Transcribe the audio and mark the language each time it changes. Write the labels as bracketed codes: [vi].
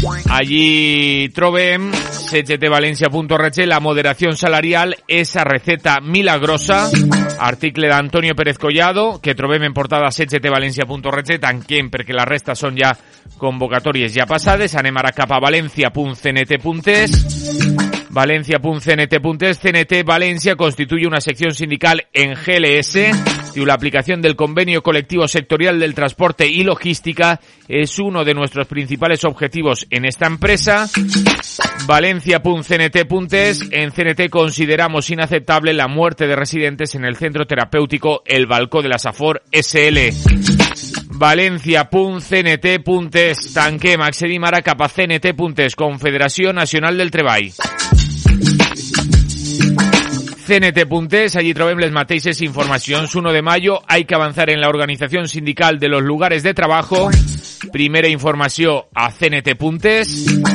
[ca] Allí trobem [es] cgtvalencia.org, la moderación salarial, esa receta milagrosa. [ca] Article d'Antonio Pérez Collado, que trobem en portada cgtvalencia.org, tanquem perquè la resta són ja convocatòries ja passades. Anem ara cap a valencia.cnt.es. [es] Valencia.cnt.es, CNT Valencia constituye una sección sindical en GLS y la aplicación del convenio colectivo sectorial del transporte y logística es uno de nuestros principales objetivos en esta empresa. Valencia.cnt.es, en CNT consideramos inaceptable la muerte de residentes en el centro terapéutico El Balcó de la Safor SL. [ca] Valencia.cnt.es, tanquem, accedim ara cap a CNT.es, Confederació Nacional del Treball. [es] CNT.es, [ca] allí trobem les mateixes informacions. [es] 1 de mayo, hay que avanzar en la organización sindical de los lugares de trabajo. [ca] Primera informació a CNT Puntes.